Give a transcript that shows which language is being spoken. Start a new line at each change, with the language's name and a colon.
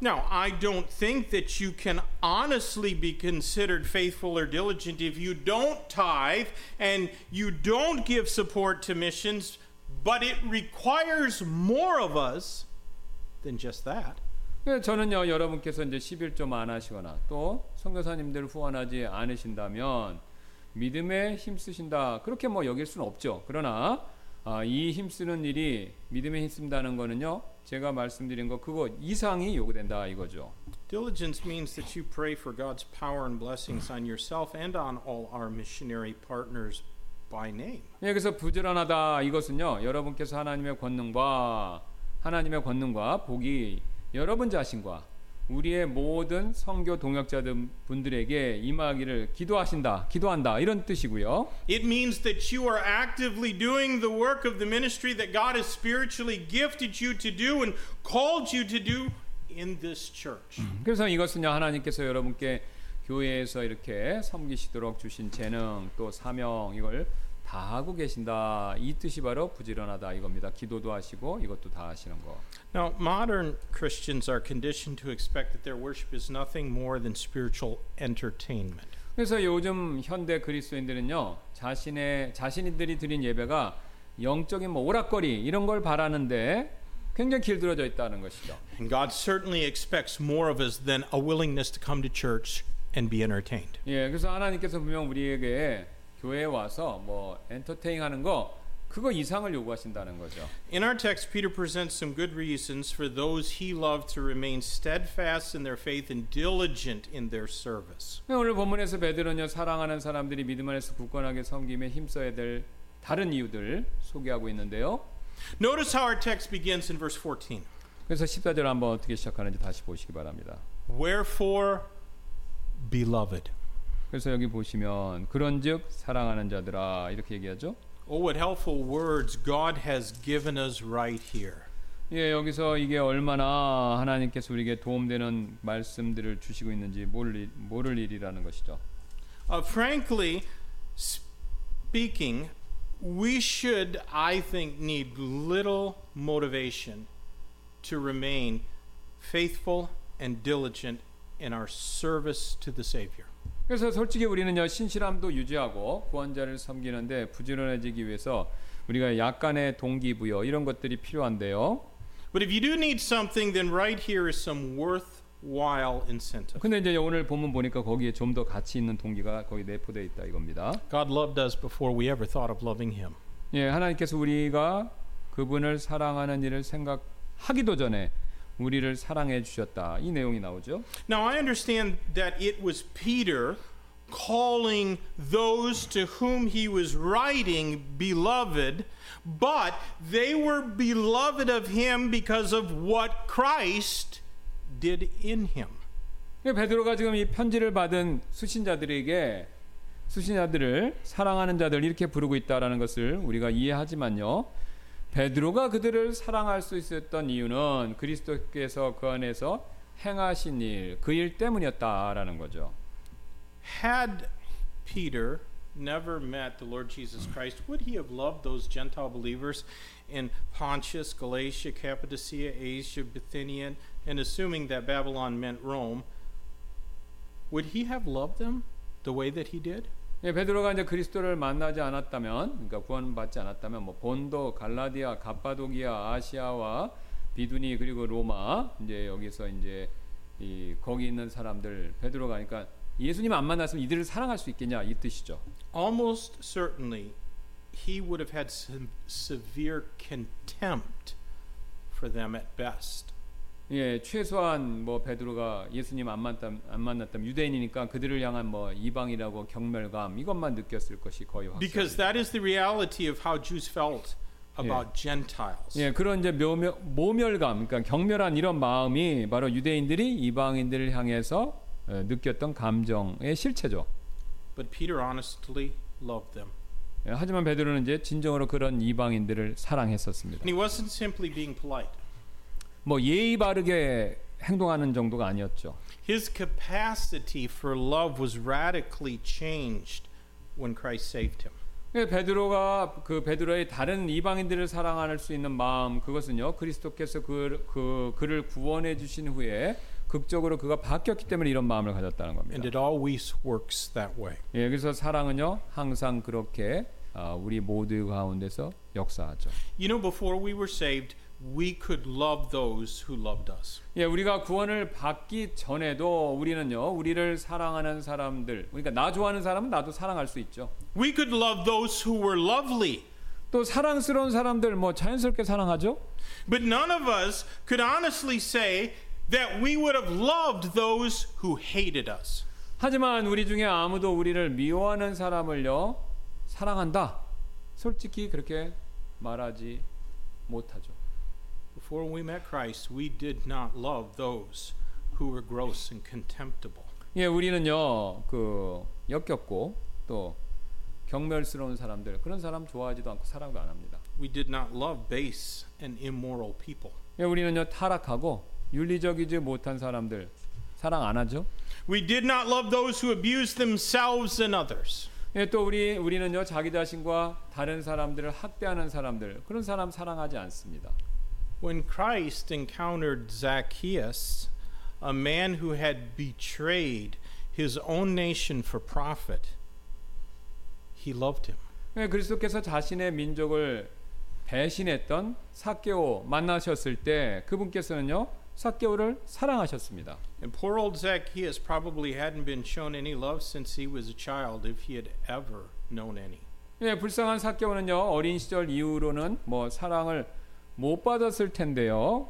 English: Now, I don't think that you can honestly be considered faithful or diligent if you don't tithe and you don't give support to missions, but it requires more of us than just that.
Korean: 네, 저는요 여러분께서 이제 11조 안 하시거나 또 선교사님들 후원하지 않으신다면 믿음에 힘쓰신다 그렇게 뭐 여길 수는 없죠. 그러나 이 힘쓰는 일이 믿음에 힘쓴다는 거는요 제가 말씀드린 거 그거 이상이 요구된다 이거죠.
English: Diligence means that you pray for God's power and blessings on yourself and on all our missionary partners by name.
Korean: 네, 그래서 부지런하다 이것은요 여러분께서 하나님의 권능과 복이 여러분 자신과 우리의 모든 선교 동역자들 분들에게 임하기를 기도한다 이런 뜻이고요.
English: It means that you are actively doing the work of the ministry that God has spiritually gifted you to do and called you to do in this church.
Korean: 그래서 이것은요 하나님께서 여러분께 교회에서 이렇게 섬기시도록 주신 재능 또 사명 이걸 다 하고 계신다. 이 뜻이 바로 부지런하다 이겁니다. 기도도 하시고 이것도 다 하시는 거.
English: Now, modern Christians are conditioned to expect that their worship is nothing more than spiritual entertainment.
Korean: 그래서 요즘 현대 그리스도인들은요. 자신들이 드린 예배가 영적인 뭐 오락거리 이런 걸 바라는데 굉장히 길들여져 있다는 것이죠.
English: And God certainly expects more of us than a willingness to come to church and be entertained.
Korean: 예, 그래서 하나님께서 분명 우리에게 교회에 와서 뭐 엔터테인 하는 거 그거 이상을 요구하신다는 거죠.
English: In our text Peter presents some good reasons for those he loved to remain steadfast in their faith and diligent in their service.
Korean: 오늘 본문에서 베드로는요 사랑하는 사람들이 믿음 안에서 굳건하게 섬김에 힘써야 될 다른 이유들 소개하고 있는데요.
English: Notice how our text begins in verse 14.
Korean: 그래서 14절 한번 어떻게 시작하는지 다시 보시기 바랍니다.
English: Wherefore beloved
Korean: 그래서 여기 보시면 그런즉 사랑하는 자들아 이렇게 얘기하죠.
English: Oh, what helpful words God has given us right here.
Korean: 예, 여기서 이게 얼마나 하나님께서 우리에게 도움되는 말씀들을 주시고 있는지 모를 일이라는 것이죠.
English: Frankly speaking, we should, I think, need little motivation to remain faithful and diligent in our service to the Savior.
Korean: 그래서 솔직히 우리는요 신실함도 유지하고 구원자를 섬기는데 부지런해지기 위해서 우리가 약간의 동기부여 이런 것들이 필요한데요.
English: But if you do need something, then right here is some worthwhile incentive.
Korean: 근데 이제 오늘 본문 보니까 거기에 좀 더 가치 있는 동기가 거기 내포되어 있다 이겁니다.
English: God loved us before we ever thought of loving Him.
Korean: 예, 하나님께서 우리가 그분을 사랑하는 일을 생각하기도 전에 우리를 사랑해 주셨다. 이 내용이 나오죠.
English: Now I understand that it was Peter calling those to whom he was writing beloved, but they were beloved of him because of what Christ did in him.
Korean: 베드로가 지금 이 편지를 받은 수신자들을 사랑하는 자들 이렇게 부르고 있다라는 것을 우리가 이해하지만요. 베드로가 그들을 사랑할 수 있었던 이유는 그리스도께서 그 안에서 행하신 일, 그 일 때문이었다라는 거죠.
English: Had Peter never met the Lord Jesus Christ, would he have loved those Gentile believers in Pontus, Galatia, Cappadocia, Asia, Bithynia, and assuming that Babylon meant Rome, would he have loved them the way that he did?
Korean: 예, 베드로가 이제 그리스도를 만나지 않았다면, 그러니까 구원받지 않았다면, 뭐 본도, 갈라디아, 갑바도기아, 아시아와 비두니 그리고 로마 이제 여기서 이제 이 거기 있는 사람들 베드로가 그러니까 예수님 안 만났으면 이들을 사랑할 수 있겠냐 이 뜻이죠.
English: Almost certainly, he would have had some severe contempt for them at best.
Korean: 예, 최소한 뭐 베드로가 예수님 안 만났던 유대인이니까 그들을 향한 뭐 이방이라고 경멸감 이것만 느꼈을 것이 거의 확실합니다.
English: Because that is the reality of how Jews felt about Gentiles.
Korean: 예, 그런 이제 모멸감, 그러니까 경멸한 이런 마음이 바로 유대인들이 이방인들을 향해서 느꼈던 감정의 실체죠.
English: But Peter honestly loved them.
Korean: 예, 하지만 베드로는 이제 진정으로 그런 이방인들을 사랑했었습니다.
English: And he wasn't simply being polite.
Korean: 뭐 예의 바르게 행동하는 정도가 아니었죠.
English: His capacity for love was radically changed when Christ saved him.
Korean: 예, 베드로가 그 베드로의 다른 이방인들을 사랑할 수 있는 마음 그것은요 그리스도께서 그를 구원해 주신 후에 극적으로 그가 바뀌었기 때문에 이런 마음을 가졌다는 겁니다.
English: And it always works that way.
Korean: 예, 그래서 사랑은요 항상 그렇게 우리 모두 가운데서 역사하죠.
English: You know, before we were saved, we could love those who loved us.
Korean: 예, 우리가 구원을 받기 전에도 우리는요, 우리를 사랑하는 사람들, 그러니까 나 좋아하는 사람은 나도 사랑할 수 있죠.
English: We could love those who were lovely.
Korean: 또 사랑스러운 사람들 뭐 자연스럽게 사랑하죠.
English: But none of us could honestly say that we would have loved those who hated us.
Korean: 하지만 우리 중에 아무도 우리를 미워하는 사람을요 사랑한다. 솔직히 그렇게 말하지 못하죠.
English: Before we met Christ, we did not love those who were gross and contemptible.
Korean: 예, 우리는요, 그 역겹고 또 경멸스러운 사람들, 그런 사람 좋아하지도 않고 사랑도 안 합니다.
English: We did not love base and immoral people.
Korean: 예, 우리는요, 타락하고 윤리적이지 못한 사람들 사랑 안 하죠.
English: We did not love those who abused themselves and others.
Korean: 예, 또 우리는요, 자기 자신과 다른 사람들을 학대하는 사람들, 그런 사람 사랑하지 않습니다.
English: When Christ encountered Zacchaeus, a man who had betrayed his own nation for profit, he loved him.
Korean: 예, 그리스도께서 자신의 민족을 배신했던 삭개오 만나셨을 때 그분께서는요, 삭개오를 사랑하셨습니다.
English: And poor old Zacchaeus probably hadn't been shown any love since he was a child if he had ever known any.
Korean: 예, 불쌍한 삭개오는요, 어린 시절 이후로는 뭐 사랑을 못 받았을 텐데요.